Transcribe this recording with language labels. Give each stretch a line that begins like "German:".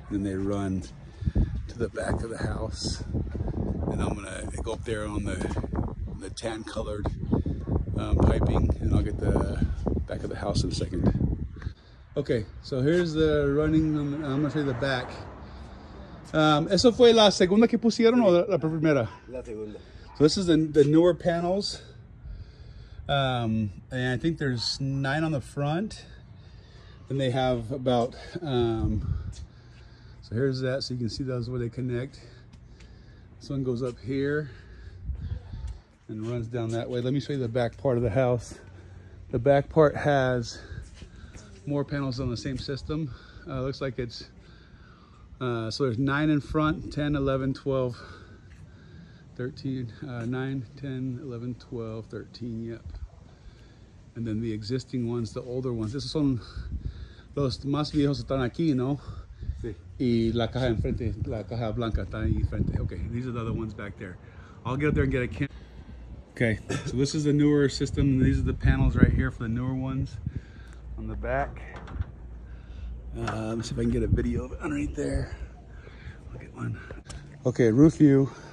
English: Then they run to the back of the house. And I'm gonna go up there on the tan colored piping, and I'll get the back of the house in a second. Okay, so here's the running, I'm gonna show you the back.
Spanish: Eso fue la segunda que pusieron, o la primera? La segunda.
English: So this is the newer panels. And I think there's 9 on the front. Then they have about, so here's that. So you can see those where they connect. This one goes up here and runs down that way. Let me show you the back part of the house. The back part has more panels on the same system. Looks like it's, so there's 9 in front, 10, 11, 12, 13, 9, 10, 11, 12, 13, yep. And then the existing ones, the older ones.
Spanish: Estos son los más viejos están aquí, ¿no? Sí. Y la caja enfrente, la caja blanca está ahí enfrente.
English: Okay, these are the other ones back there. I'll get up there and get a camera. Okay, so this is the newer system. These are the panels right here for the newer ones on the back. Let's see if I can get a video of it underneath there. I'll get one. Okay, roof view.